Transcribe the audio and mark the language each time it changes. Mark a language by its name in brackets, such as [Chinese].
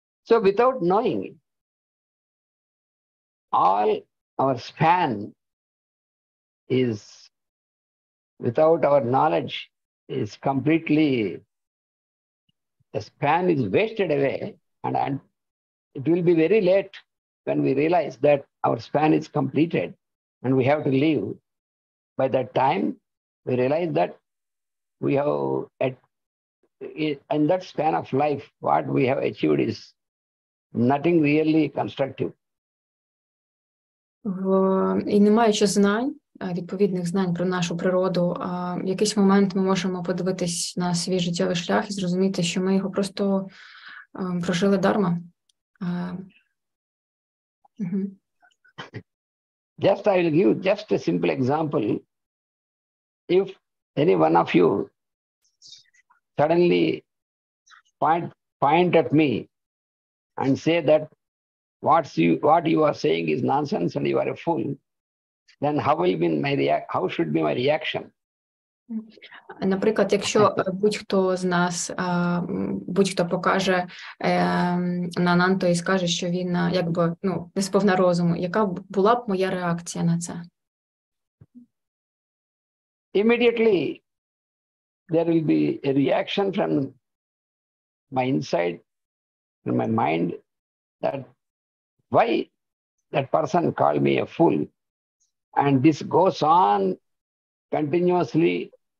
[English] So without knowing it, all our span is, without our knowledge, is completely, the span is wasted away, and it will be very late when we realize that our span is completed and we have to leave. By that time, we realize that we have, in that span of life, what we have achieved is nothing really constructive. [Ukrainian] І не маючи знань, відповідних знань про нашу природу, в якийсь момент ми можемо подивитись на свій життєвий шлях і зрозуміти, що ми його просто прожили дарма. [English] Just I will give just a simple example. If any one of you suddenly point at me and say that what you are saying is nonsense and you are a fool, then how should be my reaction? [Ukrainian] Наприклад, якщо будь-хто з нас, будь-хто покаже на Ананту і скаже, що він якби, ну, не сповна розуму, яка була б моя реакція на це? [English] Immediately there will be a reaction from my inside, from my mind, that why that person called me a fool, and this goes on continuously